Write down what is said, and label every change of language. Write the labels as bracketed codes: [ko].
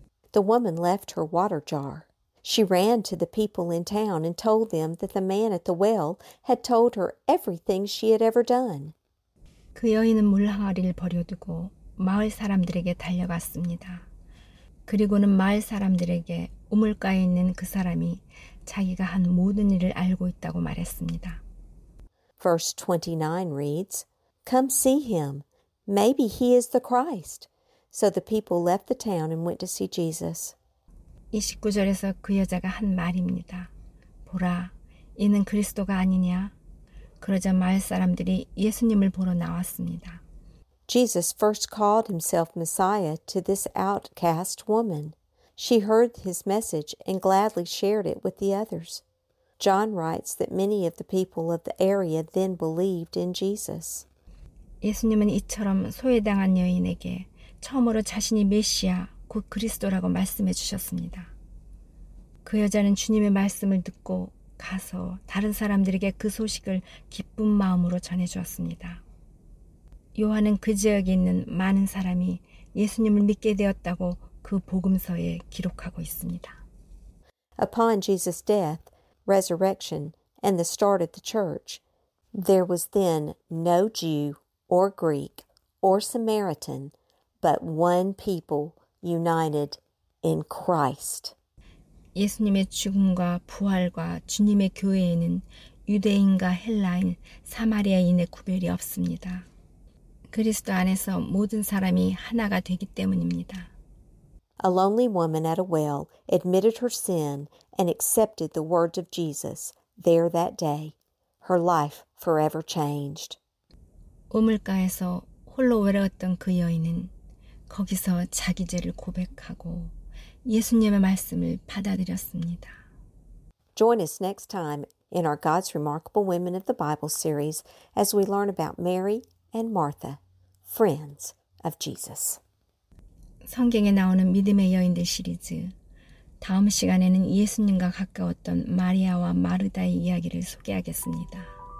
[en] The woman left her water jar. She ran to the people in town and told them that the man at the well had told her everything she had ever done. [ko] 그 여인은 물항아리를 버려두고 마을 사람들에게 달려갔습니다. 그리고는 마을 사람들에게 우물가에 있는 그 사람이 자기가 한 모든 일을 알고 있다고 말했습니다. [en] Verse 29 reads, Come see him. Maybe he is the Christ. So the people left the town and went to see Jesus. [ko] 29절에서 그 여자가 한 말입니다. 보라, 이는 그리스도가 아니냐? 그러자 마을 사람들이 예수님을 보러 나왔습니다. [en] Jesus first called himself Messiah to this outcast woman. She heard his message and gladly shared it with the others. John writes that many of the people of the area then believed in Jesus. [ko] 예수님은 이처럼 소외당한 여인에게 처음으로 자신이 메시아, 곧 그리스도라고 말씀해 주셨습니다. 그 여자는 주님의 말씀을 듣고 가서 다른 사람들에게 그 소식을 기쁜 마음으로 전해 주었습니다. 요한은 그 지역에 있는 많은 사람이 예수님을 믿게 되었다고 그 복음서에 기록하고 있습니다. [en] Upon Jesus' death, resurrection, and the start of the church, there was then no Jew or Greek or Samaritan, but one people united in Christ. [ko] 예수님의 죽음과 부활과 주님의 교회에는 유대인과 헬라인, 사마리아인의 구별이 없습니다. 그리스도 안에서 모든 사람이 하나가 되기 때문입니다. [en] A lonely woman at a well admitted her sin and accepted the words of Jesus there that day. Her life forever changed. [ko] 우물가에서 홀로 외로웠던 그 여인은 거기서 자기 죄를 고백하고 예수님의 말씀을 받아들였습니다. [en] Join us next time in our God's Remarkable Women of the Bible series as we learn about Mary and Martha, friends of Jesus. [ko] 성경에 나오는 믿음의 여인들 시리즈. 다음 시간에는 예수님과 가까웠던 마리아와 마르다의 이야기를 소개하겠습니다.